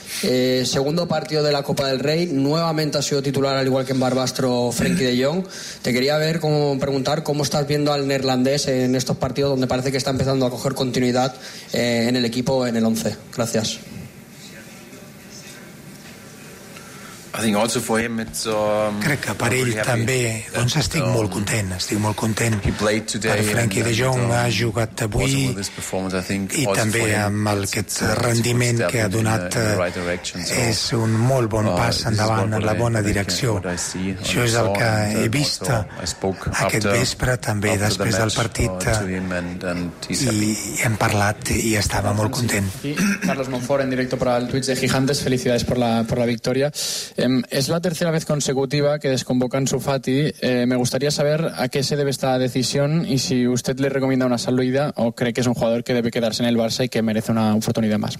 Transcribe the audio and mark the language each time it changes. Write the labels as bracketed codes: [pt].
[es] Segundo partido de la Copa del Rey, nuevamente ha sido titular al igual que en Barbastro Frenkie de Jong. Te quería ver, preguntar cómo estás viendo al neerlandés en estos partidos donde parece que está empezando a coger continuidad en el equipo, en el once. Gracias. [ca] Crec que per ell també, doncs estic molt content. El Frenkie de Jong ha jugat avui i també amb aquest rendiment que ha donat és un molt bon pas endavant en la bona direcció. Això és el que he vist aquest vespre, també després del partit, i hem parlat i estava molt content. [es] Carlos Monfort en directo para el Twitch de Gigantes. Felicidades por la victoria. Es la tercera vez consecutiva que desconvocan su Fati. Me gustaría saber a qué se debe esta decisión y si usted le recomienda una salida o cree que es un jugador que debe quedarse en el Barça y que merece una oportunidad más.